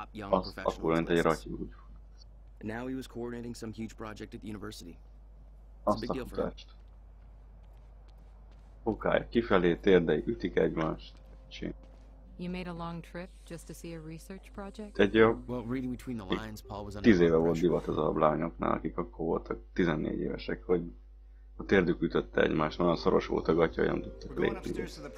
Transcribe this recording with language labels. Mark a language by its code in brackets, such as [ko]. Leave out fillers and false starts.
[hu] Az akkor lent egy ratyú, úgyhogy. Azt a futást. Azt a futást. Okay, kifelé térdei ütik egymást. [en] Csin. You made a long trip just to see a research project? Well, reading between the lines, Paul was under pressure. [hu] 10 éve volt divat az a lányoknál, akik akkor voltak 14 évesek, hogy a térdük ütötte egymást, nagyon szoros volt a gatya, olyan tudtak lépni.